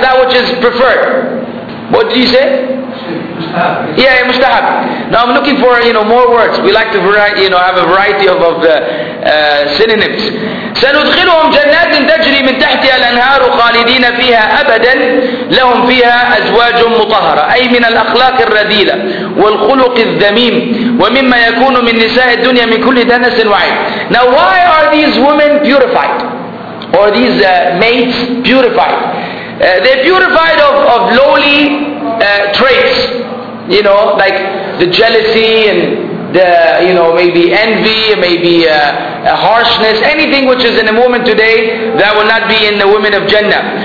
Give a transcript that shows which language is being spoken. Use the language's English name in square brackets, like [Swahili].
[English] That which is preferred. What did you say? Mustahab. Yeah, mustahab. Now I'm looking for, you know, more words. We like to variety, you know, have a variety of synonyms. [Arabic] سندخلهم جنات تجري من تحتها الأنهار خالدين فيها أبدا لهم فيها أزواج مطهرة أي من الأخلاق الرذيلة والخلق الذميم ومما يكون من نساء الدنيا من كل دنس وعين. [English] Now why are these women purified? Or these mates purified? They're purified of lowly traits, you know, like the jealousy and the, you know, maybe envy, maybe a harshness, anything which is in a woman today that will not be in the women of Jannah.